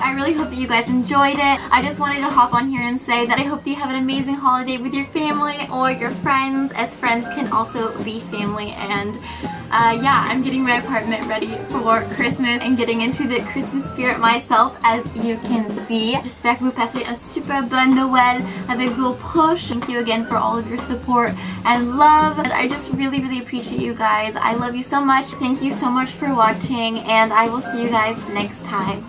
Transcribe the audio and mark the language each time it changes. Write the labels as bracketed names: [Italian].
[English] I really hope that you guys enjoyed it. I just wanted to hop on here and say that I hope that you have an amazing holiday with your family or your friends, as friends can also be family. And yeah, I'm getting my apartment ready for Christmas and getting into the Christmas spirit myself, as you can see. [French] J'espère que vous passez un super bon Noël avec vos proches. [English] Thank you again for all of your support and love. And I just really, really appreciate you guys. I love you so much. Thank you so much for watching, and I will see you guys next time.